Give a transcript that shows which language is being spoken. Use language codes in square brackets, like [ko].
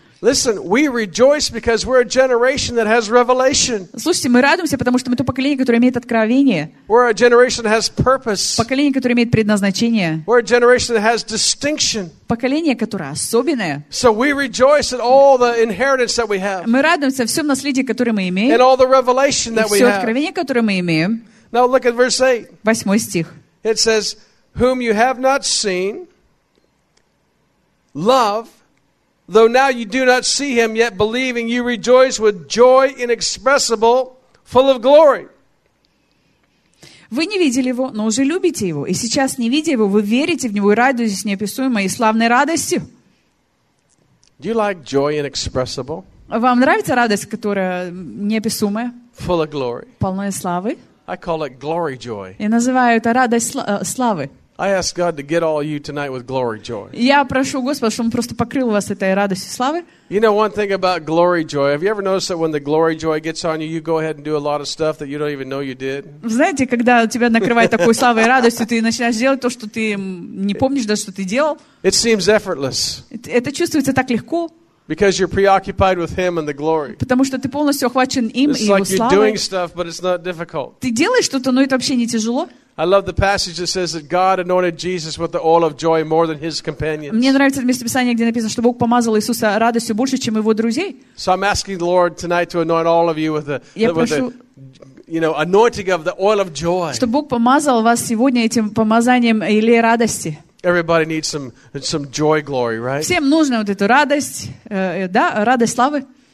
[en] Listen, we rejoice because we're a generation that has revelation. [ru] Слушайте, мы радуемся, потому что мы то поколение, которое имеет откровение. [en] We're a generation that has purpose. [ru] Поколение, которое имеет предназначение. [en] We're a generation that has distinction. [ru] Поколение, которое особенное. [en] So we rejoice at all the inheritance that we have. [ru] Мы радуемся всем наследием, которое мы имеем. [en] And all the revelation that we have. [ru] Все откровение, которое мы имеем. [en] Now look at verse 8. [ru] Восьмой стих. [en] It says, whom you have not seen, love, though now you do not see him, yet believing you rejoice with joy inexpressible, full of glory. [ru] Вы не видели его, но уже любите его. И сейчас, не видя его, вы верите в него и радуетесь неописуемой и славной радостью. [en] Do you like joy inexpressible? [ru] Вам нравится радость, которая неописуемая? [en] Full of glory. [ru] Полная славы. [en] I call it glory joy. [ru] Я называю это радость славы. [en] I ask God to get all of you tonight with glory joy. [ru] Я прошу Господа, чтобы он просто покрыл вас этой радостью славы. [en] You know one thing about glory joy. Have you ever noticed that when the glory joy gets on you, you go ahead and do a lot of stuff that you don't even know you did? [ru] Знаете, когда тебя накрывает такой славой и радостью, ты начинаешь делать то, что ты не помнишь даже, что ты делал. [en] It seems effortless. [ru] Это чувствуется так легко. [en] Because you're preoccupied with him and the glory. [ru] Потому что ты полностью охвачен им и его славой. [en] It's like you're doing stuff, but it's not difficult. [ru] Ты делаешь что-то, но это вообще не тяжело. [en] I love the passage that says that God anointed Jesus with the oil of joy more than his companions. [ru] Мне нравится место Писания, где написано, что Бог помазал Иисуса радостью больше, чем его друзей. [en] So I'm asking the Lord tonight to anoint all of you with the you know, anointing of the oil of joy. [ru] Чтобы Бог помазал вас сегодня этим помазанием или радости. [en] Everybody needs some joy glory, right? [ru] Всем нужна вот эта радость, да, радость славы.